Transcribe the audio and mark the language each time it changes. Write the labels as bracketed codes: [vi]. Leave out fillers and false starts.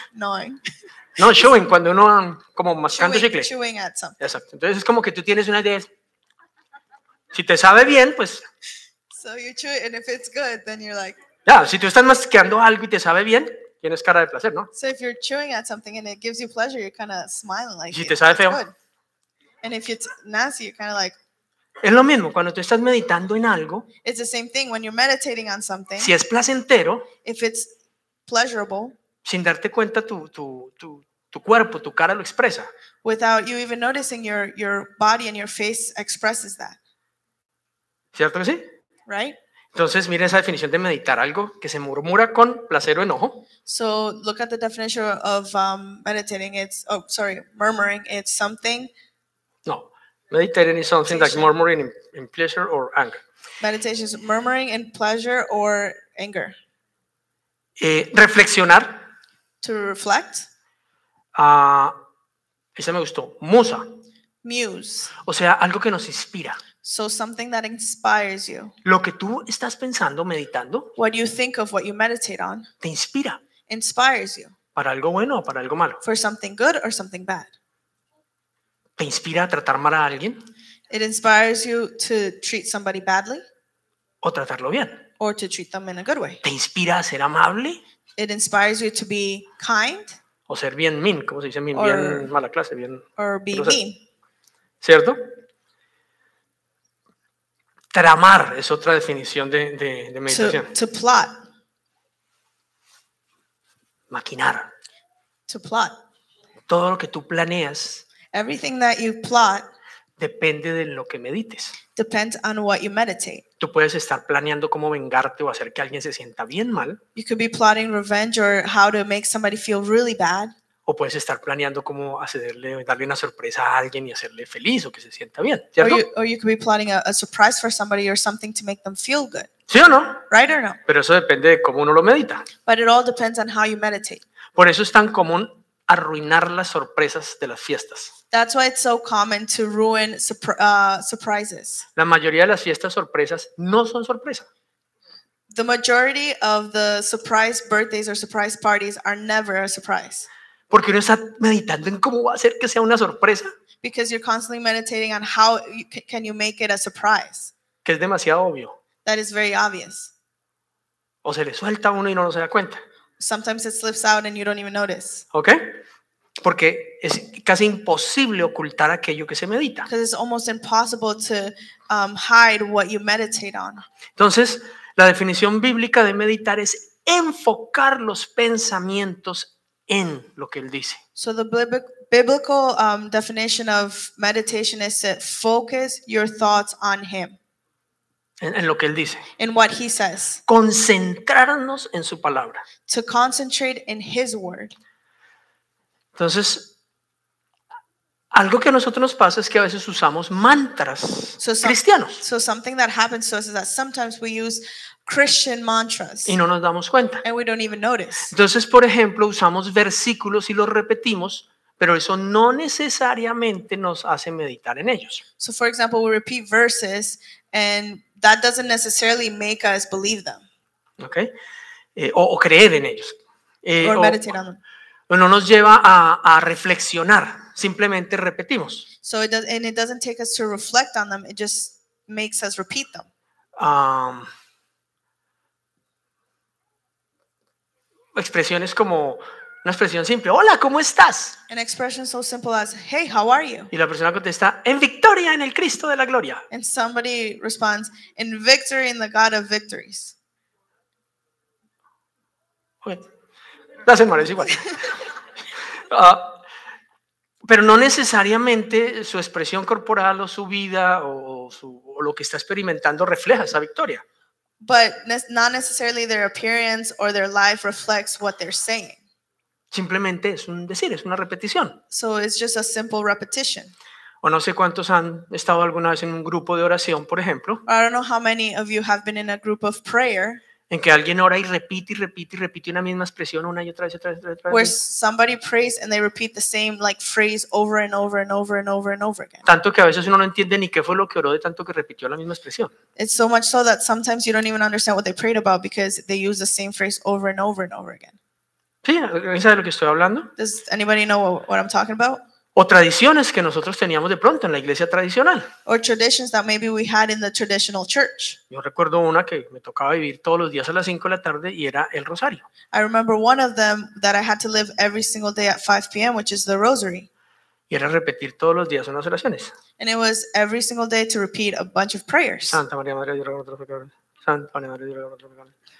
[es] No, cuando uno como mascando chicle. [en] Chewing at something. [es] Exacto. Entonces es como que tú tienes una idea. Si te sabe bien, pues. [en] So you chew it and if it's good, then you're like. [es] Ya, yeah, si tú estás masticando algo y te sabe bien. Tienes cara de placer, ¿no? [en] So if you're chewing at something and it gives you pleasure, you're kind of smiling like. [es] Si te sabe feo. [en] Good. And if it's nasty, you're kind of like. [es] Es lo mismo cuando tú estás meditando en algo. [en] It's the same thing when you're meditating on something. [es] Si es placentero. [en] If it's pleasurable. [es] Sin darte cuenta, tu cuerpo, tu cara lo expresa. [en] Without you even noticing, your body and your face expresses that. [es] ¿Cierto que sí? [en] Right. [es] Entonces, mira esa definición de meditar algo que se murmura con placer o enojo. [en] So, look at the definition of meditating. It's, oh, sorry, murmuring. It's something. No, meditating is something like murmuring in pleasure or anger. Meditation is murmuring in pleasure or anger. [es] Reflexionar. [en] To reflect. [es] Esa me gustó. Musa. [en] Muse. [es] O sea, algo que nos inspira. [en] So something that inspires you. [es] Lo que tú estás pensando, meditando. [en] What you think of, what you meditate on. [es] Te inspira. [en] Inspires you. [es] Para algo bueno o para algo malo. [en] For something good or something bad. [es] Te inspira a tratar mal a alguien. [en] It inspires you to treat somebody badly. [es] O tratarlo bien. [en] Or to treat them in a good way. [es] Te inspira a ser amable. [en] It inspires you to be kind. [es] O ser bien mean, ¿cómo se dice mean? Bien mala clase, bien. [en] Or be mean. [es] ¿Cierto? Tramar es otra definición de meditación. [en] To plot. [es] Maquinar. [en] To plot. [es] Todo lo que tú planeas. [en] Everything that you plot. [es] Depende de lo que medites. [en] Depends on what you meditate. [es] Tú puedes estar planeando cómo vengarte o hacer que alguien se sienta bien mal. [en] You could be plotting revenge or how to make somebody feel really bad. [es] O puedes estar planeando cómo accederle, darle una sorpresa a alguien y hacerle feliz o que se sienta bien, ¿cierto? [en] Or you could be planning a surprise for somebody or something to make them feel good. [es] ¿Sí o no? [en] Right or no? [es] Pero eso depende de cómo uno lo medita. [en] But it all depends on how you meditate. [es] Por eso es tan común arruinar las sorpresas de las fiestas. [en] That's why it's so common to ruin surprises. [es] La mayoría de las fiestas sorpresas no son sorpresa. [en] The majority of the surprise birthdays or surprise parties are never a surprise. [es] Porque uno está meditando en cómo va a ser que sea una sorpresa. [en] Because you're constantly meditating on how you, can you make it a surprise. [es] Que es demasiado obvio. [en] That is very obvious. [es] O se le suelta a uno y no se da cuenta. [en] Sometimes it slips out and you don't even notice. [es] Okay. Porque es casi imposible ocultar aquello que se medita. [en] Because it's almost impossible to hide what you meditate on. [es] Entonces, la definición bíblica de meditar es enfocar los pensamientos en lo que él dice. [en] So the biblical definition of meditation is to focus your thoughts on him. [es] En lo que él dice. [en] In what he says. [es] Concentrarnos en su palabra. [en] To concentrate in his word. [es] Entonces, algo que a nosotros nos pasa es que a veces usamos mantras cristianos. [en] So something that happens to us is that sometimes we use Christian mantras. [es] Y no nos damos cuenta. [en] And we don't even notice. [es] Entonces, por ejemplo, usamos versículos y los repetimos, pero eso no necesariamente nos hace meditar en ellos. [en] So for example, we repeat verses and that doesn't necessarily make us believe them. [es] Okay. O creer en ellos. [en] Or meditate on them. [es] No nos lleva a reflexionar. Simplemente repetimos. [en] So it does, and it doesn't take us to reflect on them. It just makes us repeat them. [es] Expresiones como una expresión simple. Hola, ¿cómo estás? [en] An expression so simple as, hey, how are you? [es] Y la persona contesta, en victoria en el Cristo de la gloria. [en] And somebody responds, in victory in the God of victories. [es] Okay. La semana es igual. Pero no necesariamente su expresión corporal o su vida o lo que está experimentando refleja esa victoria. [en] But not necessarily their appearance or their life reflects what they're saying. [es] Simplemente es un decir, es una repetición. [en] So it's just a simple repetition. [es] O no sé cuántos han estado alguna vez en un grupo de oración, por ejemplo. [en] I don't know how many of you have been in a group of prayer. [es] En que alguien ora y repite y repite y repite una misma expresión una y otra vez, otra vez, otra vez. [en] Where somebody prays and they repeat the same like phrase over and over and over and over and over again. [es] Tanto que a veces uno no entiende ni qué fue lo que oró de tanto que repitió la misma expresión. [en] It's so much so that sometimes you don't even understand what they prayed about because they use the same phrase over and over and over again. [es] Sí, ¿alguien sabe de lo que estoy hablando? [en] Does anybody know what I'm talking about? [es] O tradiciones que nosotros teníamos de pronto en la iglesia tradicional. [en] Or traditions that maybe we had in the traditional church. [es] Yo recuerdo una que me tocaba vivir todos los días a las 5 de la tarde y era el rosario. [en] I remember one of them that I had to live every single day at 5 p.m., which is the rosary. [es] Y era repetir todos los días unas oraciones. [en] And it was every single day to repeat a bunch of prayers. [es] Santa María, Madre de Dios, otros pecadores. Santa María, Madre de Dios, otros pecadores.